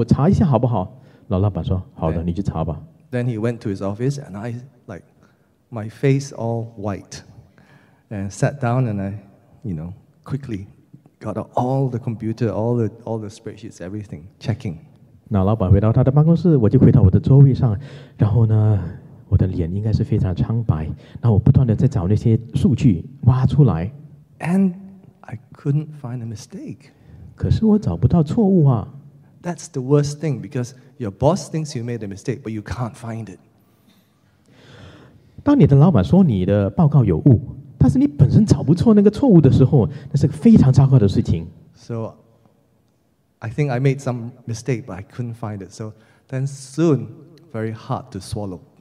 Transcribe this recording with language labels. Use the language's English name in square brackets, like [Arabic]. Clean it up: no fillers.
[Chinese] 那当时呢，我就回复跟他说，我不大清楚。那我查一下好不好？老板说，好的，你去查吧。 [English] Then he went to his office, and I, like, my face all white, and sat down, and I, you know, quickly got out all the computer, all the spreadsheets, everything, checking. [Chinese] 那老板回到他的办公室，我就回到我的座位上，然后呢，我的脸应该是非常苍白。那我不断的在找那些数据，挖出来。 [English] And I couldn't find a mistake. [Chinese] 可是我找不到错误啊。 [English] That's the worst thing, because your boss thinks you made a mistake, but you can't find it. [Chinese] 当你的老板说你的报告有误，但是你本身找不出那个错误的时候，那是个非常糟糕的事情。 [English] So I think I made some mistake, but I couldn't find it. So then soon, very hard to swallow.